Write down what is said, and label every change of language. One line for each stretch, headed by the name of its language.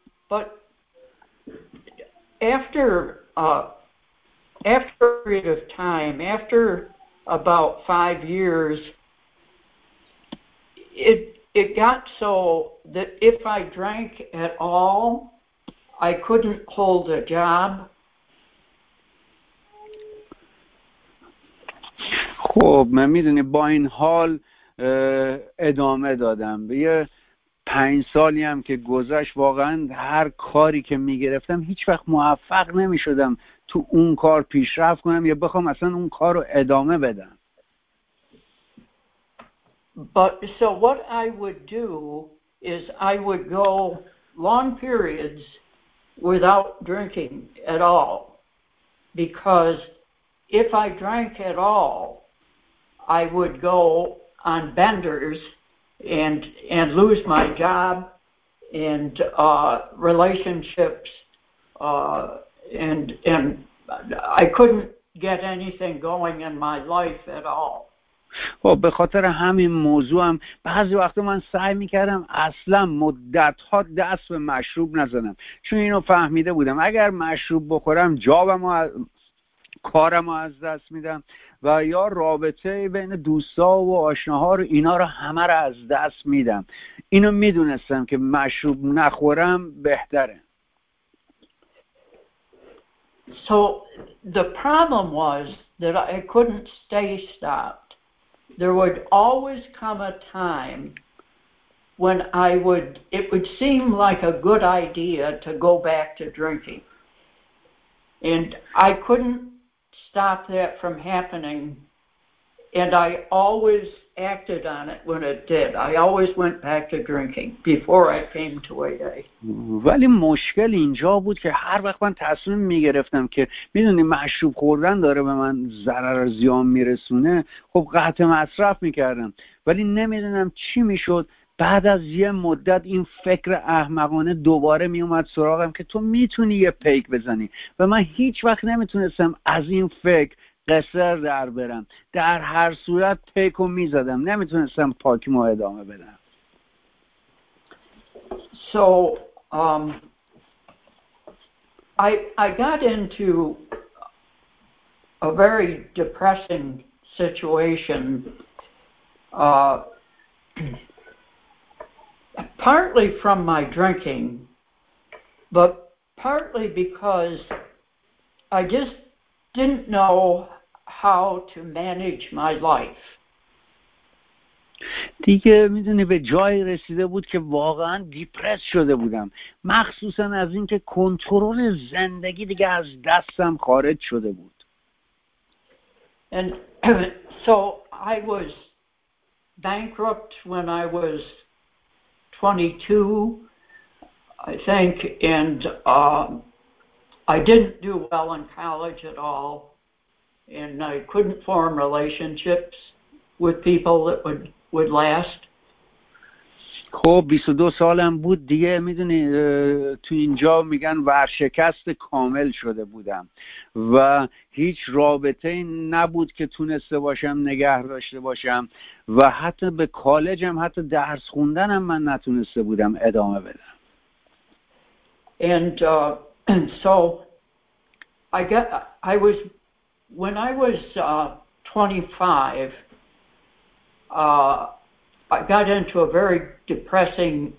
English: But after a period of time, after about 5 years, it got so that if I drank at all, I couldn't hold a job.
Persian: خب من میدونی با این حال ادامه دادم. یه 5 سالی هم که گذشت، واقعا هر کاری که میگرفتم هیچ وقت موفق نمیشدم تو اون کار پیشرفت کنم یا بخوام اصلا اون کار رو ادامه بدم.
English: But so what I would do is I would go long periods without drinking at all, because if I drank at all, I would go on benders and lose my job and relationships and I couldn't get anything going in my life at all.
Persian: خب به خاطر همین موضوع هم بعضی وقتا من سعی میکردم اصلا مدتها دست به مشروب نزنم، چون اینو فهمیده بودم اگر مشروب بخورم جابمو کارمو از دست میدم و یا رابطه بین دوستا و آشناها رو اینا رو همه رو از دست میدم. اینو میدونستم که مشروب نخورم بهتره.
English: So the problem was that I couldn't stay stopped. There would always come a time when it would seem like a good idea to go back to drinking. And I couldn't stop that from happening, and I always acted on it when it did. I always went back to drinking before I came to AA.
Persian: ولی مشکل اینجا بود که هر وقت من تصمیم میگرفتم که میدونی مشروب خوردن داره به من ضرر و زیان میرسونه، خب قطع مصرف میکردم، ولی نمیدونم چی میشد بعد از یه مدت این فکر احمقانه دوباره می اومد سراغم که تو میتونی یه پیک بزنی و من هیچ وقت نمیتونستم از این فکر قصر در برم. در هر صورت پیک رو میزدم، نمیتونستم پاکیمو ادامه بدم.
English: So I got into a very depressing situation partly from my drinking, but partly because I just didn't know how to manage my life.
Persian: دیگه میدونی به جای رسیده بود که واقعا دیپرس شده بودم، مخصوصا از اینکه کنترل زندگی دیگه از دستم خارج شده بود.
English: And so I was bankrupt when I was 22, I think, and I didn't do well in college at all, and I couldn't form relationships with people that would last.
Persian: خب 22 سالم بود دیگه، میدونی تو اینجا میگن ورشکست کامل شده بودم و هیچ رابطه نبود که تونسته باشم نگه داشته باشم و حتی به کالجم حتی درس خوندنم من نتونسته بودم ادامه بدم.
English: And so when I was 25 I got into a very depressing